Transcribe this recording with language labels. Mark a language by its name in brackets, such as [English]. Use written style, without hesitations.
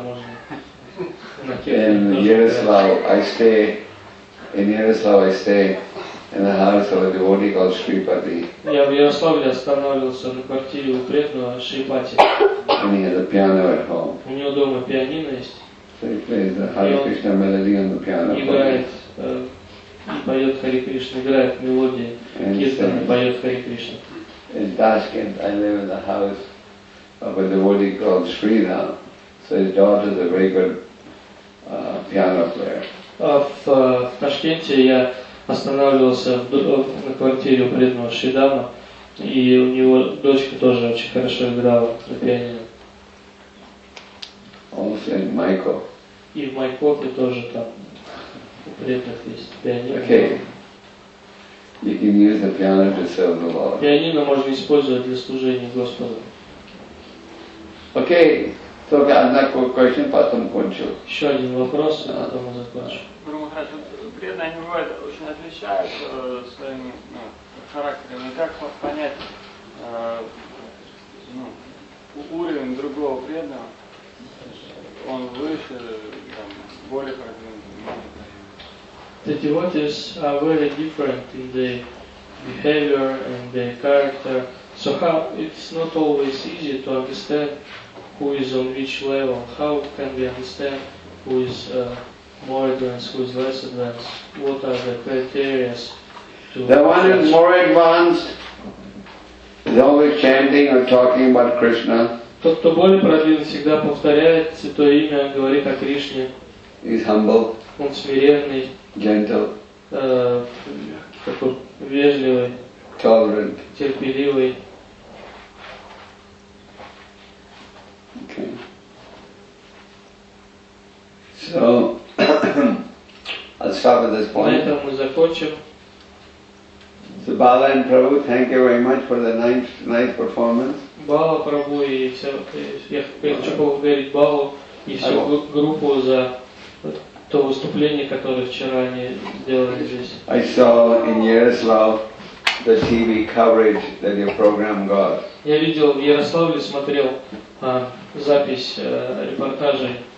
[Russian] можно. [English] In Yaroslav, I stay. In Yaroslav, I stay in the house of a devotee called Shri Pati. [Russian] Я в Ярославле останавливался на квартире у преданного Шри Пати. [English] And he has a piano at home. [Russian] У него дома пианино есть. [English] So he plays the Hare Krishna melody on the piano. [Russian] И поет Хари Кришна, играет мелодии, киртан поет Хари Кришна. [English] In Tashkent, I live in the house of a devotee called Sridhar, so his daughter is a very good piano player. [Russian] В Ташкенте я останавливался на квартире у преданного Шридама, и у него дочка тоже очень хорошо играла на пианино. [English] Also in Майко. [Russian] И в Майкопе тоже там. Предок есть пианино. [English] Okay. You can use the piano to serve the Lord. [Russian] Пианино можно использовать для служения Господу. [English] Okay. So I have another question, [Russian] потом кончу. Еще один вопрос, а потом я закончу. Преданные бывают очень отличаются своими характерами. Как вот понять уровень другого преданного? Он выше, там, более продвинутый. [English] The devotees are very different in the behavior and the character. So how it's not always easy to understand who is on which level. How can we understand who is more advanced, who is less advanced? What are the criteria? The one who is more advanced is always chanting or talking about Krishna. [Russian] Тот, кто более продвинут, всегда повторяет святое имя, говорит о Кришне. [English] He's humble. [Russian] Он смиренный. [English] Gentle. [Russian] Такой вежливый. [English] Tolerant. [Russian] Терпеливый. [English] So, I'll stop at this point. [Russian] На этом мы закончим. [English] So, Bala and Prabhu, thank you very much for the nice performance. [Russian] Бала, Прабу и все, я хочу поблагодарить Балу и всю группу за то выступление, которое вчера они сделали здесь. [English] I saw in Yaroslav the TV coverage that your program got. [Russian] Я видел в Ярославле, смотрел запись репортажей.